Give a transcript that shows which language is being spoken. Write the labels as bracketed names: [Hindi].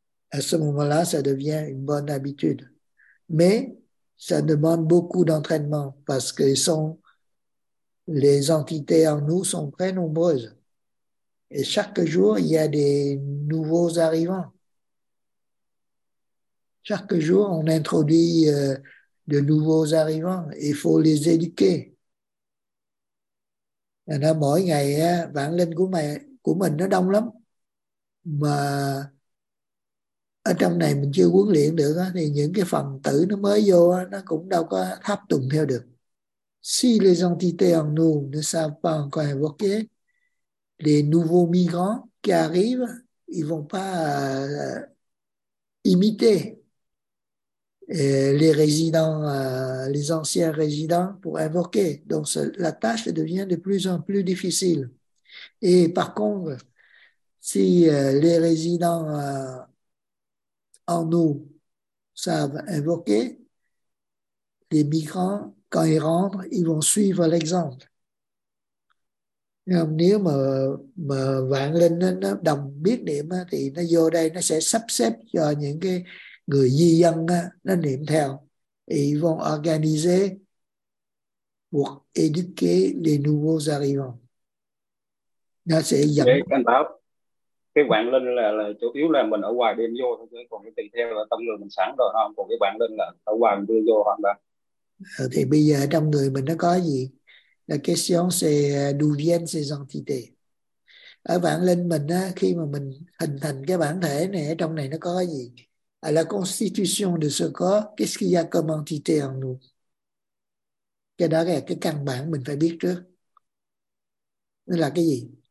[French] À ce moment-là, ça devient une bonne habitude. Mais ça demande beaucoup d'entraînement parce que les entités en nous sont très nombreuses. Et chaque jour, il y a des nouveaux arrivants. Chaque jour, on introduit de nouveaux arrivants. Il faut les éduquer. [Vietnamese] Là, mỗi ngày, vạn linh của mình nó đông lắm. Mà ở trong này mình chưa huấn luyện được thì những cái phần tử nó mới vô nó cũng đâu có tháp tùng theo được. [French] Si les entités en nous ne savent pas encore invoquer, les nouveaux migrants qui arrivent, ils ne vont pas imiter les résidents, les anciens résidents pour invoquer. Donc la tâche devient de plus en plus difficile. Et par contre, si les résidents en nous savent invoquer, les migrants, quand ils rentrent, ils vont suivre l'exemple. [Vietnamese] Nếu mà vạn linh nó đồng biết niệm thì nó vô đây nó sẽ sắp xếp cho những cái người di dân nó niệm theo. [French] et ils vont organiser pour éduquer les nouveaux arrivants. Là, c'est Yang. [Vietnamese] Cái quan báo, cái quan linh là chủ yếu là mình ở ngoài đem vô thôi, còn cái tùy theo là tâm người mình sẵn rồi không? Còn cái quan linh là ở ngoài mình đưa vô hoàn toàn. Thì bây giờ trong người mình nó có gì? [French] La question c'est d'où viennent ces entités? [Vietnamese] Ở bản linh mình á, khi mà mình hình thành cái bản thể này, ở trong này nó có gì? [French] À la constitution de ce corps, qu'est-ce qu'il y a comme entité en nous? [Vietnamese] Cái đó là cái căn bản mình phải biết trước. Nó là cái gì?